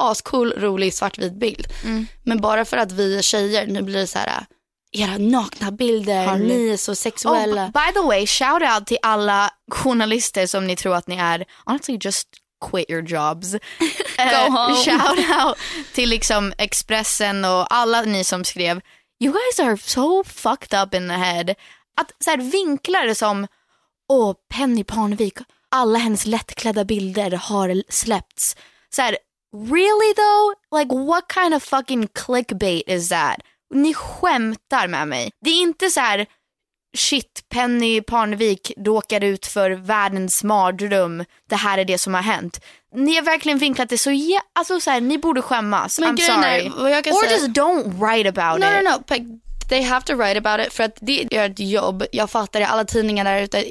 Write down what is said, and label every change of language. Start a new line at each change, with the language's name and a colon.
Swedish: Ascool, rolig, svartvit bild. Men bara för att vi är tjejer, nu blir det så här, era nakna bilder, ni är så sexuella.
English: Oh, by the way, shout out
Swedish: till alla journalister som ni tror att ni är.
English: Honestly, just quit your jobs. Go home. Shout out
Swedish: till liksom Expressen och alla ni som skrev.
English: You guys are so fucked up in the head.
Swedish: Att så här, vinklar det som, Penny Parnevik, alla hennes lättklädda bilder har släppts. Så här,
English: really though? Like, what kind of fucking clickbait is that?
Swedish: Ni skämtar med mig. Det är inte så här, shit, Penny Parnevik råkar ut för världens mardröm. Det här är det som har hänt. Ni har verkligen vinklat det så, alltså så här, ni borde skämmas. Men
English: I'm sorry. Just don't write about it. No, they have to write about it.
Swedish: För att det är ett jobb. Jag fattar det, alla tidningar där ute.